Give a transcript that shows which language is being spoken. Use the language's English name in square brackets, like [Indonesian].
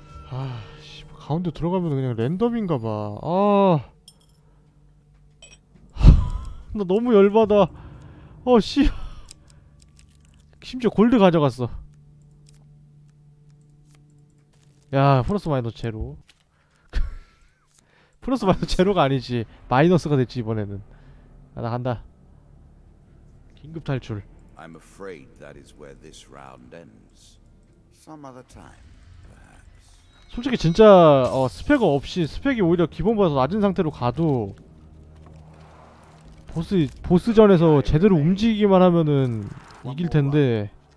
[Korean] 아씨, 가운데 들어가면 그냥 랜덤인가봐. 아, 나 너무 열받아. 어씨, 심지어 골드 가져갔어. 야, 플러스 마이너스 제로. 플러스 마이너스 제로가 아니지, 마이너스가 됐지 이번에는. 아, 나 간다. 긴급 탈출. [English] I'm afraid that is where this round ends. Some other time. [Korean] 솔직히 진짜 스펙 없이 스펙이 오히려 기본보다 낮은 상태로 가도 보스전에서 제대로 움직이기만 하면은 이길 텐데.